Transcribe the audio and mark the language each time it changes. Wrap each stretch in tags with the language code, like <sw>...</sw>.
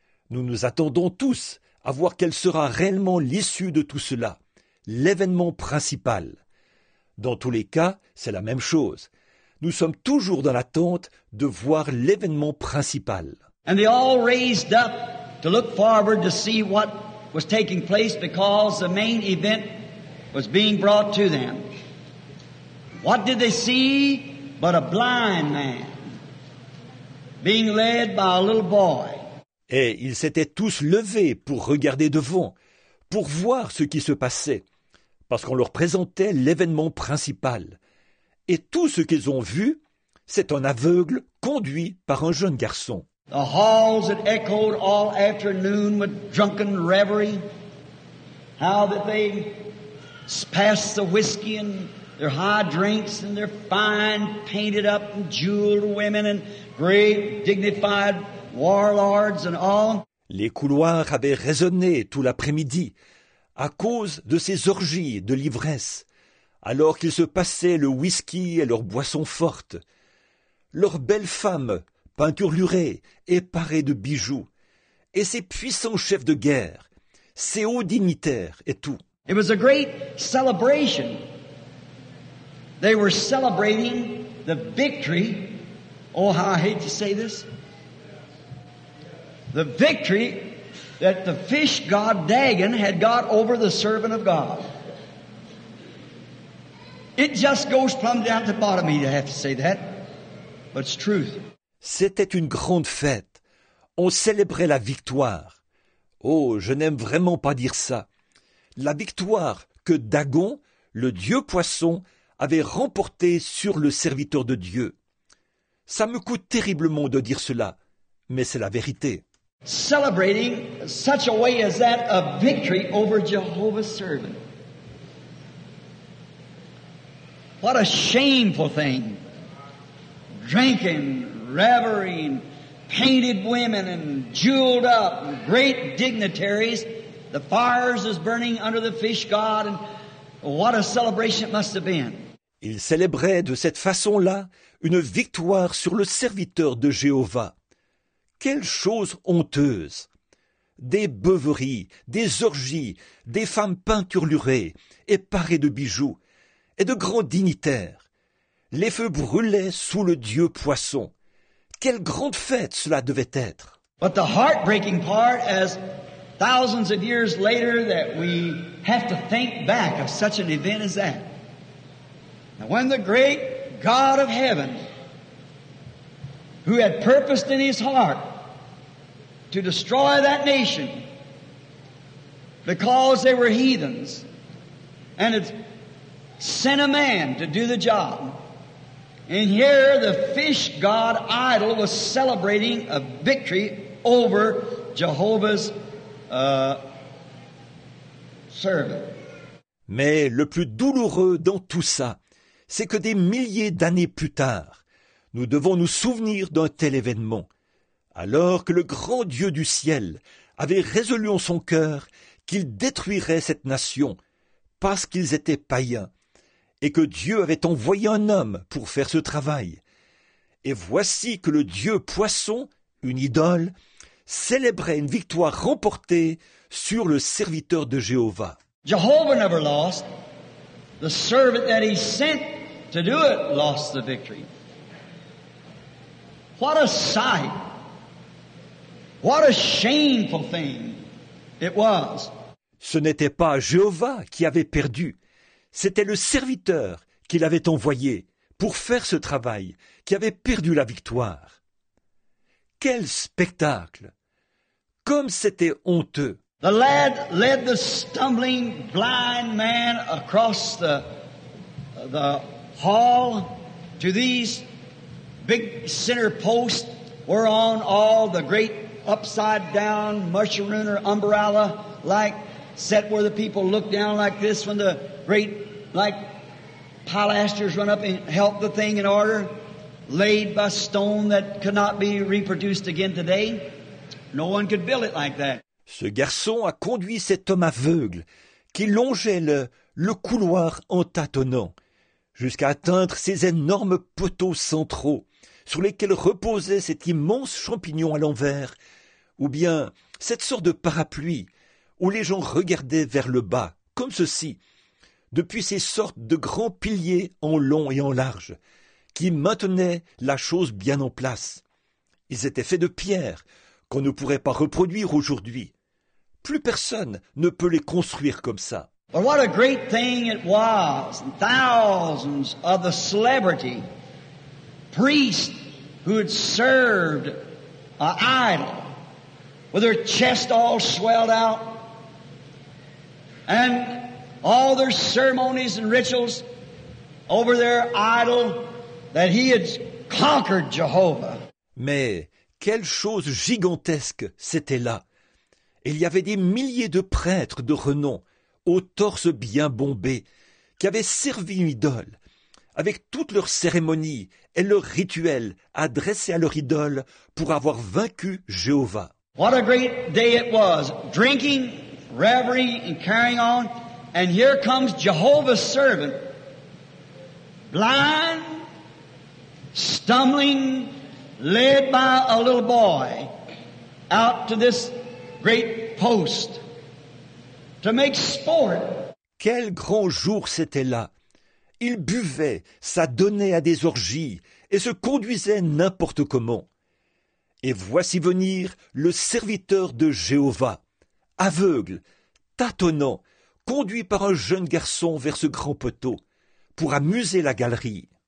<fr>Nous nous attendons tous à voir quelle sera réellement l'issue de tout cela, l'événement principal. Dans tous les cas, c'est la même chose. Nous sommes toujours dans l'attente de voir l'événement principal.</fr> <en>And they all raised up to look forward to see what was taking place because the main event was being brought to them. What did they see but a blind man being led by a little boy?</en> <fr>Et ils s'étaient tous levés pour regarder devant, pour voir ce qui se passait, parce qu'on leur présentait l'événement principal. Et tout ce qu'ils ont vu, c'est un aveugle conduit par un jeune garçon.</fr> <en>The halls that echoed all afternoon with drunken reverie, how that they passed the whiskey and their high drinks and their fine painted up and jeweled women and great dignified warlords and all.</en> <fr>Les couloirs avaient résonné tout l'après-midi à cause de ces orgies de l'ivresse, alors qu'ils se passaient le whisky et leurs boissons fortes. Leurs belles femmes, peinturlurées et parées de bijoux, et ces puissants chefs de guerre, ces hauts dignitaires et tout.</fr> <en>It was a great celebration. They were celebrating the victory. Oh, I hate to say this. The victory that the fish god Dagon had got over the servant of God. It just goes plumb down to the bottom of me to have to say that. But it's truth.</en> <fr>C'était une grande fête. On célébrait la victoire. Oh, je n'aime vraiment pas dire ça. La victoire que Dagon, le dieu poisson, avait remportée sur le serviteur de Dieu. Ça me coûte terriblement de dire cela, mais c'est la vérité.</fr> <en>Celebrating such a way as that of victory over Jehovah's servant. What a shameful thing. Drinking, revering, painted women and jeweled up great dignitaries. The fires is burning under the fish god, and what a celebration it must have been.</en> <fr>Ils célébraient de cette façon-là une victoire sur le serviteur de Jéhovah. Quelle chose honteuse! Des beuveries, des orgies, des femmes peinturlurées et parées de bijoux, et de grands dignitaires. Les feux brûlaient sous le dieu poisson. Quelle grande fête cela devait être!</fr> <en>But the heartbreaking part, as thousands of years later, that we have to think back of such an event as that. Now, when the great God of heaven, who had purposed in his heart to destroy that nation because they were heathens, and had sent a man to do the job, and here the fish god idol was celebrating a victory over Jehovah's servant.</en> <fr>Mais le plus douloureux dans tout ça, c'est que des milliers d'années plus tard, nous devons nous souvenir d'un tel événement, alors que le grand Dieu du ciel avait résolu en son cœur qu'il détruirait cette nation parce qu'ils étaient païens et que Dieu avait envoyé un homme pour faire ce travail. Et voici que le Dieu poisson, une idole, célébrait une victoire remportée sur le serviteur de Jéhovah.</fr> <en>Jehovah never lost. The servant that he sent to do it lost the victory. What a sight! What a shameful thing it was!</en> <fr>Ce n'était pas Jéhovah qui avait perdu. C'était le serviteur qu'il avait envoyé pour faire ce travail qui avait perdu la victoire. Quel spectacle! Comme c'était honteux!</fr> <en>The lad led the stumbling blind man across the hall to these big center posts whereon all the great upside down mushroom or umbrella like set where the people look down like this when the great like pilasters run up and help the thing in order, laid by stone that could not be reproduced again today. No one could build it like that.</en> <fr>Ce garçon a conduit cet homme aveugle qui longeait le couloir en tâtonnant jusqu'à atteindre ces énormes poteaux centraux sur lesquels reposait cet immense champignon à l'envers ou bien cette sorte de parapluie où les gens regardaient vers le bas, comme ceci, depuis ces sortes de grands piliers en long et en large qui maintenaient la chose bien en place. Ils étaient faits de pierre qu'on ne pourrait pas reproduire aujourd'hui. Plus personne ne peut les construire comme ça.</fr> <en>But what a great thing it was. Thousands of the celebrity priests who had served an idol with their chest all swelled out and all their ceremonies and rituals over their idol that he had conquered Jehovah.</en> <fr>Mais quelle chose gigantesque c'était là. Il y avait des milliers de prêtres de renom, aux torses bien bombés, qui avaient servi une idole, avec toutes leurs cérémonies et leurs rituels adressés à leur idole pour avoir vaincu Jéhovah.</fr> <en>What a great day it was, drinking, revering and carrying on, and here comes Jehovah's servant, blind, stumbling, led by a little boy out to this great post to make sport.</en> <fr>Quel grand jour c'était là! Il buvait, s'adonnait à des orgies et se conduisait n'importe comment. Et voici venir le serviteur de Jéhovah, aveugle, tâtonnant, conduit par un jeune garçon vers ce grand poteau pour amuser la galerie.</fr>